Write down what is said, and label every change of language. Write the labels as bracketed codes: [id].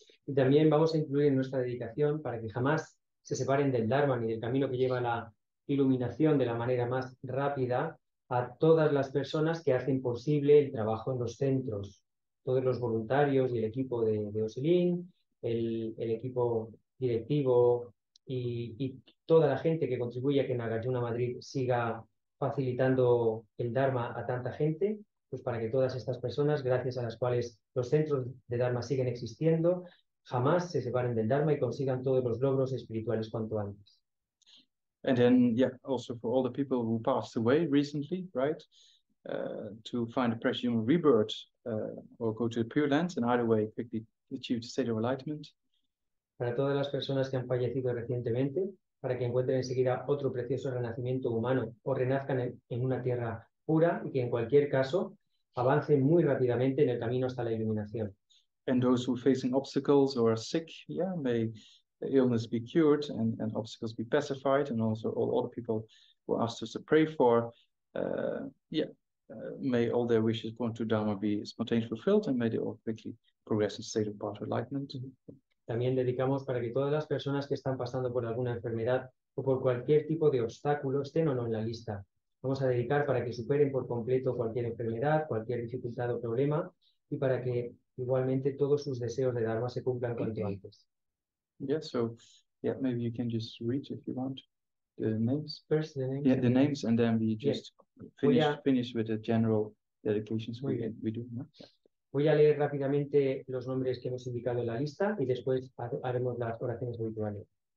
[es] Y también vamos a incluir en nuestra dedicación para que jamás se separen del Dharma ni del camino que lleva la iluminación de la manera más rápida a todas las personas que hacen posible el trabajo en los centros, todos los voluntarios y el equipo de Oselín, el equipo directivo y toda la gente que contribuye a que Nagarjuna Madrid siga facilitando el Dharma a tanta gente, pues para que todas estas personas, gracias a las cuales los centros de Dharma siguen existiendo, jamás se separen del Dharma y consigan todos los logros espirituales cuanto antes. [en] And then, yeah, also for all the people who passed away recently, right, to find a fresh human rebirth or go to the Pure Lands and either way quickly achieve the state of enlightenment. [es] Para todas las personas que han fallecido recientemente, para que encuentren enseguida otro precioso renacimiento humano o renazcan en una tierra pura y que en cualquier caso avancen muy rápidamente en el camino hasta la iluminación. [en] And those who are facing obstacles or are sick, yeah, may the illness be cured and obstacles be pacified, and also all the people who asked us to pray for, may all their wishes going to Dharma be spontaneously fulfilled and may they all quickly progress in state of path enlightenment. [es] También dedicamos para que todas las personas que están pasando por alguna enfermedad o por cualquier tipo de obstáculo estén o no en la lista. Vamos a dedicar para que superen por completo cualquier enfermedad, cualquier dificultad o problema y para que igualmente todos sus deseos de Dharma se cumplan cuanto antes. [en] Yeah, so yeah, maybe you can just read if you want the names. First, the names. Yeah, the names, and then we just finish with the general dedications we do. No? [es] Voy a leer rápidamente los nombres que hemos indicado en la lista y después haremos las oraciones habituales.